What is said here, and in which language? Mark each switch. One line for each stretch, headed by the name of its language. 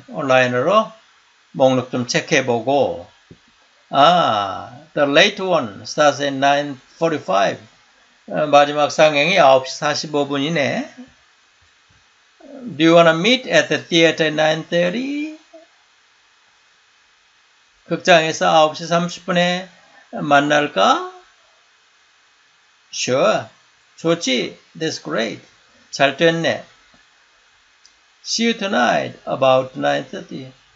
Korean: 온라인으로 목록 좀 체크해보고.
English: 아, the late one starts at 9:45.
Korean: 마지막 상영이 9시 45분이네.
English: Do you want to meet at the theater at 9:30?
Korean: 극장에서 9시 30분에 만날까?
English: Sure.
Korean: 좋지?
English: That's great.
Korean: 잘 됐네.
English: See you tonight about 9:30.